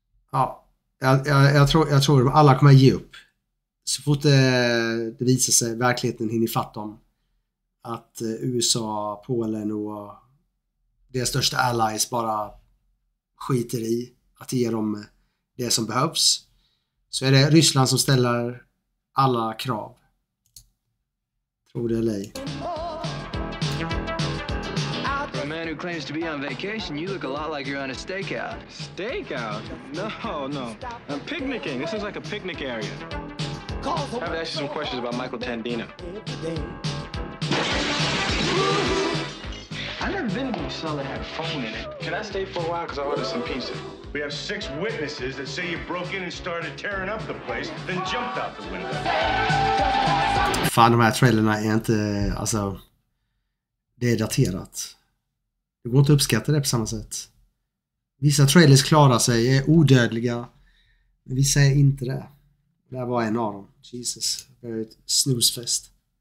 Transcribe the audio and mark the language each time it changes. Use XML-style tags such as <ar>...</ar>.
<sv>Ja, jag tror alla kommer ge upp. Så fort det visar sig, verkligheten hinner fatta om att USA, Polen och deras största allies bara skiter i att ge dem det som behövs, så är det Ryssland som ställer alla krav. Tror det eller ej.</sv> <en>A man who claims to be on vacation, you look a lot like you're on a stakeout. Stakeout? No. I'm picnicking. This is like a picnic area. I have to ask you some questions about Michael Tandino. never been to a cell that had a phone in it. Can I stay for a while? Because I ordered some pizza. We have 6 witnesses that say you broke in and started tearing up the place, then jumped out the window.</en> <sv>Fan, de här trailerna är inte, alltså, det är daterat. Det går inte att uppskatta det på samma sätt. Vissa trailers klarar sig, är odödliga. Men vissa är inte det. Det här var en av dem. Jesus, det är ett snusfest.</sv>